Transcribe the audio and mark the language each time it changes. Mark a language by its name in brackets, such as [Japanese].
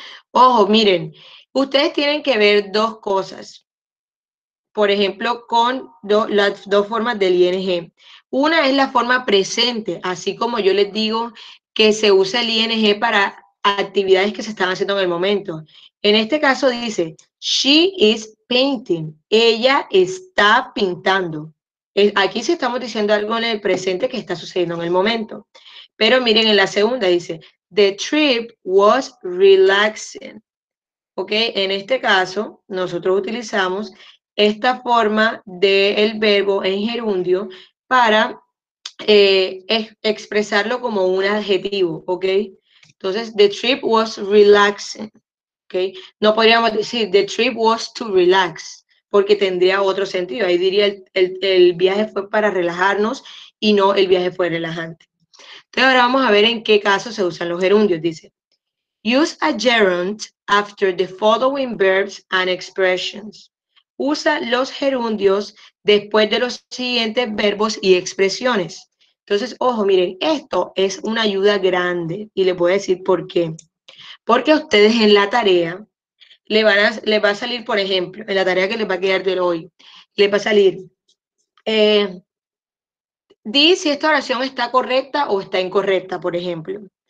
[Spanish] Ojo, miren, ustedes tienen que ver dos cosas. Por ejemplo, con las dos formas del ing. Una es la forma presente, así como yo les digo que se usa el ing para actividades que se están haciendo en el momento. En este caso dice, [English] she is painting, [Spanish] ella está pintando. Aquí sí estamos diciendo algo en el presente que está sucediendo en el momento. Pero miren en la segunda, dice, [English] the trip was relaxing. [Spanish] ¿Ok? En este caso, nosotros utilizamos esta forma del verbo en gerundio para expresarlo como un adjetivo, ¿ok? Entonces, [English] the trip was relaxing, [Spanish] ¿ok? No podríamos decir, [English] the trip was to relax, [Spanish] porque tendría otro sentido. Ahí diría, el viaje fue para relajarnos y no el viaje fue relajante. Entonces, ahora vamos a ver en qué caso se usan los gerundios. Dice, [English] use a gerund after the following verbs and expressions. [Spanish] Usa los gerundios después de los siguientes verbos y expresiones. Entonces, ojo, miren, esto es una ayuda grande y les voy a decir por qué. Porque a ustedes en la tarea les va a salir, por ejemplo, en la tarea que les va a quedar de hoy, les va a salir, di si esta oración está correcta o está incorrecta, por ejemplo.